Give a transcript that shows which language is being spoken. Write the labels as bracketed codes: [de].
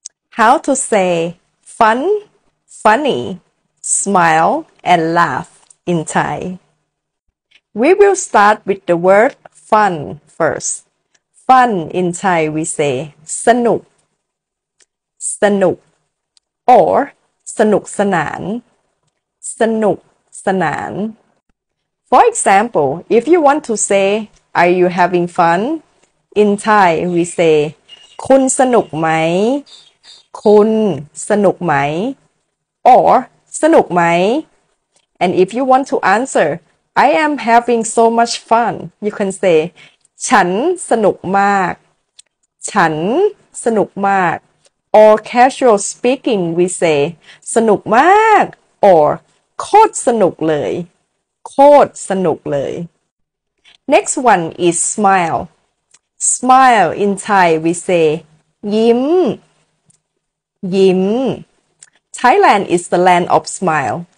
[en] How to say fun, funny, smile, and laugh in Thai. We will start with the word fun first. Fun in Thai we say [th] สนุก สนุก [en] or [th] สนุกสนาน สนุกสนาน. [en] For example, if you want to say are you having fun? In Thai we say [th] คุณสนุกไหมคุณสนุกไหม or สนุกไหม [en] and if you want to answer I am having so much fun you can say [th] ฉันสนุกมากฉันสนุกมาก [en] or casual speaking we say [th] สนุกมาก [en] or [th] โคตรสนุกเลยโคตรสนุกเลย [en] next one is smile smile in Thai we say [th] ยิ้มยิ้ม [en] Thailand is the land of smile.